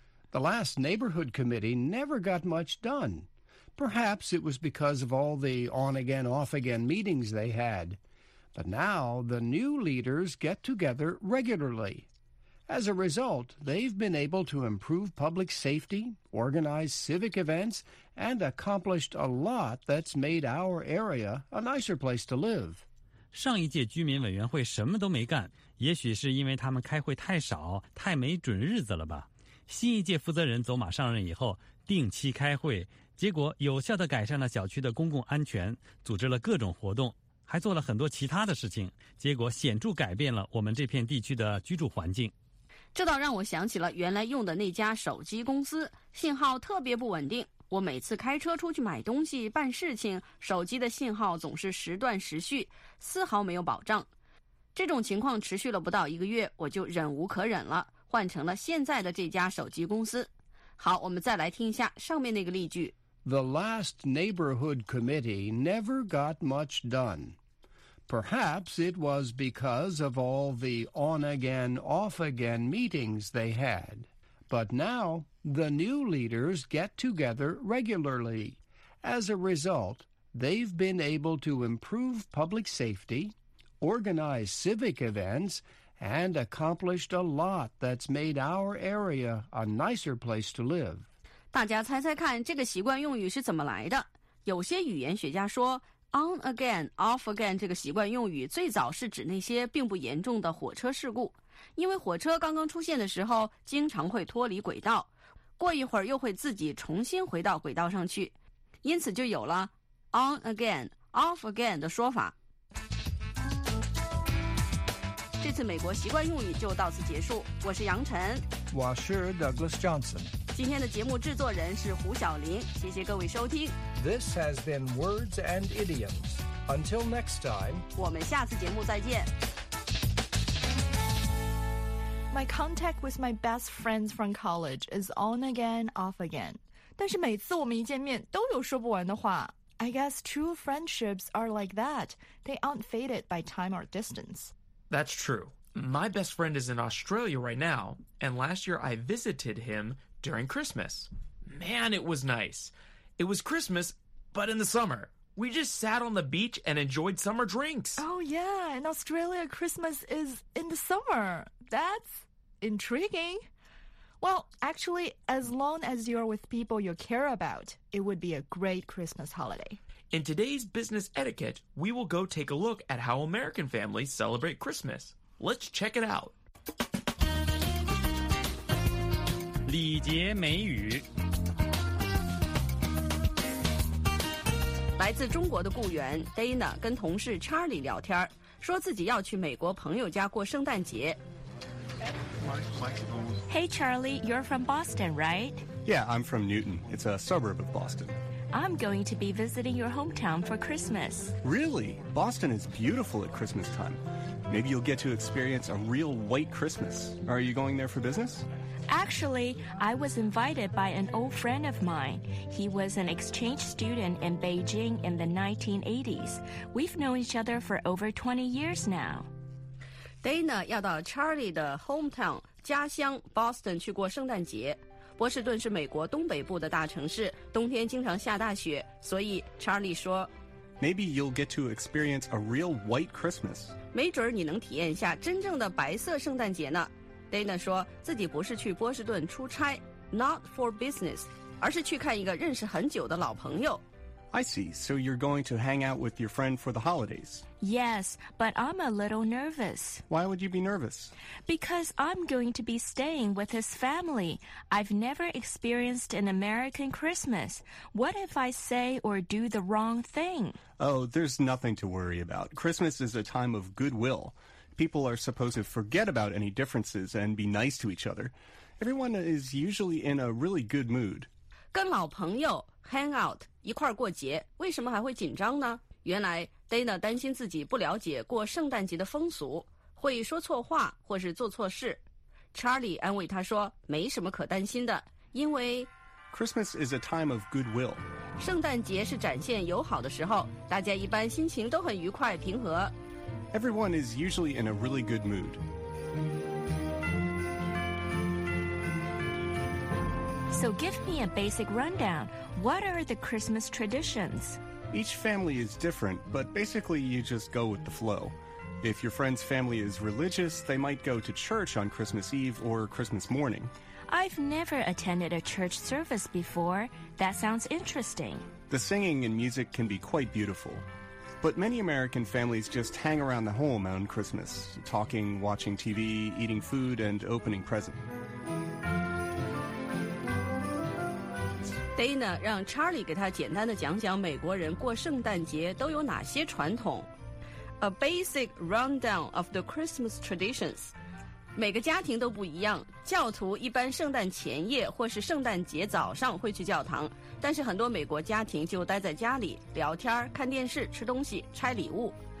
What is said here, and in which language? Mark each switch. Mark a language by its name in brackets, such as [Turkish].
[English] The last neighborhood committee never got much done. Perhaps it was because of all the on-again, off-again meetings they had. But now the new leaders get together regularly. As a result, they've been able to improve public safety, organize civic events, and accomplished a lot that's made our area a nicer place to live. [Chinese] 上一届居民委员会什么都没干，也许是因为他们开会太少，太没准日子了吧。新一届负责人走马上任以后，定期开会，结果有效地改善了小区的公共安全，组织了各种活动，还做了很多其他的事情，结果显著改变了我们这片地区的居住环境。这倒让我想起了原来用的那家手机公司，信号特别不稳定。我每次开车出去买东西、办事情，手机的信号总是时断时续，丝毫没有保障。这种情况持续了不到一个月，我就忍无可忍了，换成了现在的这家手机公司。好，我们再来听一下上面那个例句。 [English] The last neighborhood committee never got much done. Perhaps it was because of all the on-again, off-again meetings they had. But now... The new leaders get together regularly. As a result, they've been able to improve public safety, organize civic events, and accomplished a lot that's made our area a nicer place to live. [Chinese] 大家猜猜看这个习惯用语是怎么来的？有些语言学家说 [English] on again, off again [Chinese] 这个习惯用语最早是指那些并不严重的火车事故，因为火车刚刚出现的时候经常会脱离轨道。过一会儿又会自己重新回到轨道上去，因此就有了 [English] on again, off again [Chinese] 的说法。这次美国习惯用语就到此结束，我是杨晨，我是 Douglas Johnson。今天的节目制作人是胡晓林，谢谢各位收听。 [English] This has been Words and Idioms. Until next time, [Chinese] 我们下次节目再见。 [English] My contact with my best friends from college is on again, off again. [Chinese] 但是每次我们一见面都有说不完的话。 [English] I guess true friendships are like that. They aren't faded by time or distance. That's true. My best friend is in Australia right now, and last year I visited him during Christmas. Man, it was nice. It was Christmas, but in the summer. We just sat on the beach and enjoyed summer drinks. Oh, yeah. In Australia, Christmas is in the summer. That's intriguing. Well, actually, as long as you're with people you care about, it would be a great Christmas holiday. In today's business etiquette, we will go take a look at how American families celebrate Christmas. Let's check it out. [Chinese] 礼节美语来自中国的雇员 Dana 跟同事 Charlie 聊天，说自己要去美国朋友家过圣诞节。 [English] Hey Charlie, you're from Boston, right? Yeah, I'm from Newton. It's a suburb of Boston. I'm going to be visiting your hometown for Christmas. Really? Boston is beautiful at Christmas time. Maybe you'll get to experience a real white Christmas. Are you going there for business? Actually, I was invited by an old friend of mine. He was an exchange student in Beijing in the 1980s. We've known each other for over 20 years now. [Chinese] Dana 要到 Charlie 的 hometown, 家乡 Boston 去过圣诞节。波士顿是美国东北部的大城市，冬天经常下大雪，所以 Charlie 说 [English] Maybe you'll get to experience a real white Christmas. [Chinese] 没准你能体验一下真正的白色圣诞节呢。Dana 说自己不是去波士顿出差 , [English] not for business, [Chinese] 而是去看一个认识很久的老朋友。 [English] I see, so you're going to hang out with your friend for the holidays. Yes, but I'm a little nervous. Why would you be nervous? Because I'm going to be staying with his family. I've never experienced an American Christmas. What if I say or do the wrong thing? Oh, there's nothing to worry about. Christmas is a time of goodwill. People are supposed to forget about any differences and be nice to each other. Everyone is usually in a really good mood. [Chinese] 跟老朋友 hang out 一块儿过节，为什么还会紧张呢？原来 Dana 担心自己不了解过圣诞节的风俗，会说错话或是做错事。 Charlie 安慰他说没什么可担心的，因为 [English] Christmas is a time of goodwill， [Chinese] 圣诞节是展现友好的时候，大家一般心情都很愉快平和。 [English] Everyone is usually in a really good mood。 So give me a basic rundown. What are the Christmas traditions? Each family is different, but basically you just go with the flow. If your friend's family is religious, they might go to church on Christmas Eve or Christmas morning. I've never attended a church service before. That sounds interesting. The singing and music can be quite beautiful. But many American families just hang around the home on Christmas, talking, watching TV, eating food, and opening presents. [Chinese] Dana 让 Charlie 给他简单的讲讲美国人过圣诞节都有哪些传统。 [English] A basic rundown of the Christmas traditions， [Chinese] 每个家庭都不一样，教徒一般圣诞前夜或是圣诞节早上会去教堂，但是很多美国家庭就待在家里聊天、看电视、吃东西、拆礼物。